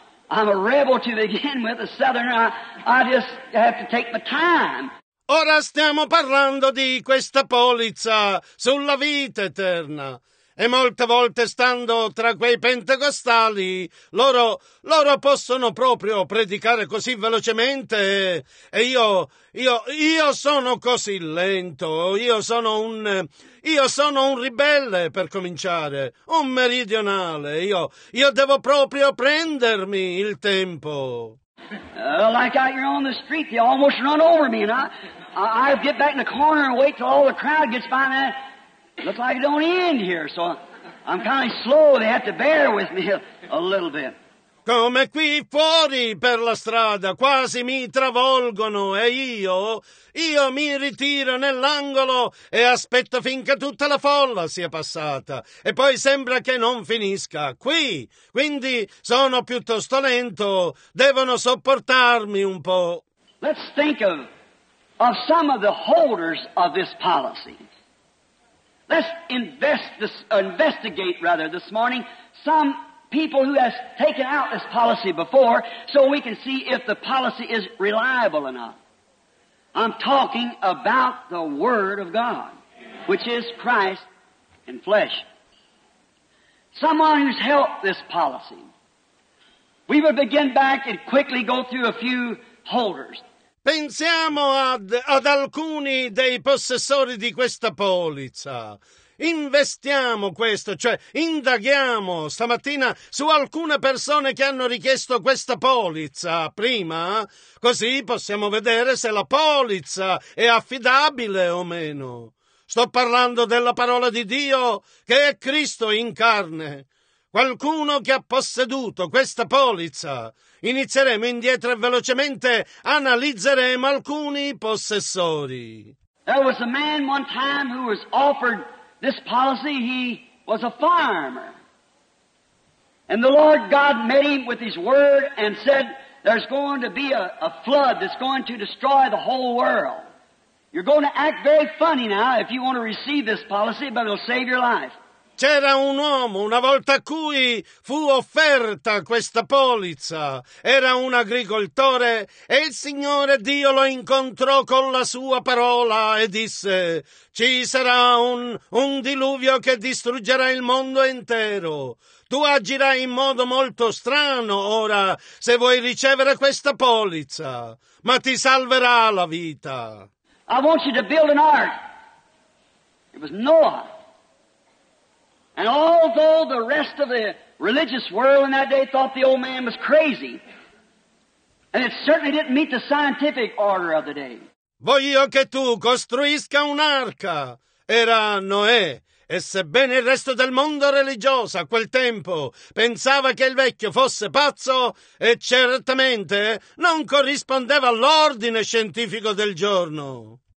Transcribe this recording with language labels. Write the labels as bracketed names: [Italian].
[English] I'm a rebel to begin with, a southerner. I just have to take my time. [Italian] Ora stiamo parlando di questa polizza sulla vita eterna. E molte volte, stando tra quei pentecostali, loro possono proprio predicare così velocemente, e io sono così lento, io sono un ribelle, per cominciare, un meridionale, io devo proprio prendermi il tempo. [English] Like out here on the street, they almost run over me, and I get back in the corner and wait till all the crowd gets by me. Looks like it don't end here, so I'm kind of slow. They have to bear with me a little bit. [Italian] Come qui fuori per la strada, quasi mi travolgono, e io mi ritiro nell'angolo e aspetto finché tutta la folla sia passata, e poi sembra che non finisca qui. Quindi sono piuttosto lento, devono sopportarmi un po'. [English] Let's think of some of the holders of this policy. Let's investigate this morning some people who has taken out this policy before, so we can see if the policy is reliable enough. I'm talking about the Word of God, which is Christ in flesh. Someone who's helped this policy. We will begin back and quickly go through a few holders. [Italian] Pensiamo ad alcuni dei possessori di questa polizza. Investiamo questo, cioè indaghiamo stamattina su alcune persone che hanno richiesto questa polizza prima, così possiamo vedere se la polizza è affidabile o meno. Sto parlando della parola di Dio che è Cristo in carne. Qualcuno che ha posseduto questa polizza. Inizieremo indietro e velocemente analizzeremo alcuni possessori. [English] There was a man one time who was offered this policy. He was a farmer. And the Lord God met him with his word and said, there's going to be a flood that's going to destroy the whole world. You're going to act very funny now if you want to receive this policy, but it'll save your life. [Italian] C'era un uomo, una volta a cui fu offerta questa polizza. Era un agricoltore e il Signore Dio lo incontrò con la sua parola e disse: ci sarà un diluvio che distruggerà il mondo intero. Tu agirai in modo molto strano ora se vuoi ricevere questa polizza, ma ti salverà la vita. [English] I want you to build an ark. It was Noah. And although the rest of the religious world in that day thought the old man was crazy, and it certainly didn't meet the scientific order of the day. [Italian] Voglio che tu costruisca un'arca. Era Noè. E sebbene il resto del mondo religioso a quel tempo pensava che il vecchio fosse pazzo, e certamente non corrispondeva all'ordine scientifico del giorno.